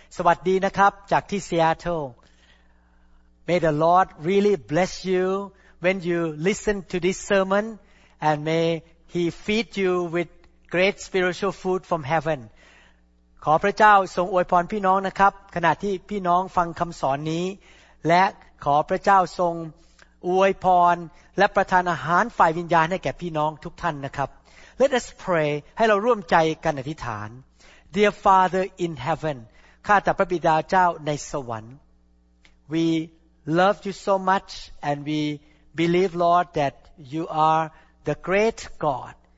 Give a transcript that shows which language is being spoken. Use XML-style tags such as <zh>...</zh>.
<th>สวัสดีนะครับจากที่ Seattle.</th> <en>May the Lord really bless you when you listen to this sermon, and may He feed you with great spiritual food from heaven.</en> <th>ขอพระเจ้าทรงอวยพรพี่น้องนะครับขณะที่พี่น้องฟังคำสอนนี้และขอพระเจ้าทรงอวยพรและประทานอาหารฝ่ายวิญญาณให้แก่พี่น้องทุกท่านนะครับ</th> <en>Let us pray.</en> <th>ให้เราร่วมใจกันอธิษฐาน</th> <en>Dear Father in heaven,</en> <th>ข้าแต่พระบิดาเจ้าในสวรรค์</th> <en>We love you so much and we believe, Lord, that you are the great God.</en>